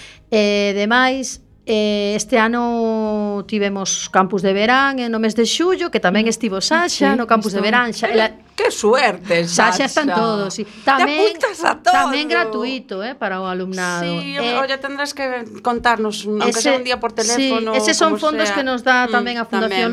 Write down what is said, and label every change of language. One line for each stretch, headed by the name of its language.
Galician: Ademais, este ano tivemos campus de verán no mes de xullo, que tamén estivo Sasha, sí, no campus de verán.
Spanish: Que suerte, Sasha.
Galician: Sasha están todos, sí. Tamén, te apuntas a todo. Tamén gratuito, para o alumnado.
Spanish: Sí, ya tendrás que contarnos, aunque ese, sea un día por teléfono.
Galician: Sí, ese son fondos que nos dá tamén a Fundación